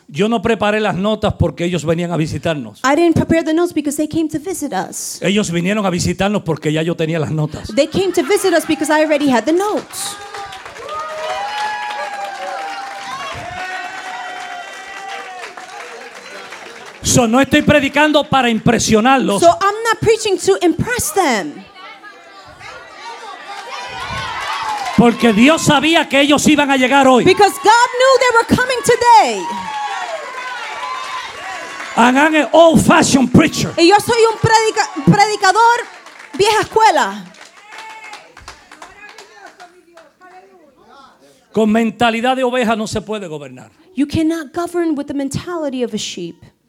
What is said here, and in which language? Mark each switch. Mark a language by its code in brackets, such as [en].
[es] Yo no preparé las notas porque ellos venían a visitarnos. [en] I didn't prepare the notes because they came to visit us. [es] Ellos vinieron a visitarnos porque ya yo tenía las notas. [en] They came to visit us because I already had the notes. [es] So no estoy predicando para impresionarlos. [en] So I'm not preaching to impress them. [es] Porque Dios sabía que ellos iban a llegar hoy. [en] Because God knew they were coming today. And I'm an old-fashioned preacher. [es] Y yo soy un predicador vieja escuela. Con mentalidad de oveja no se puede gobernar. [en] You cannot govern with the mentality of a sheep.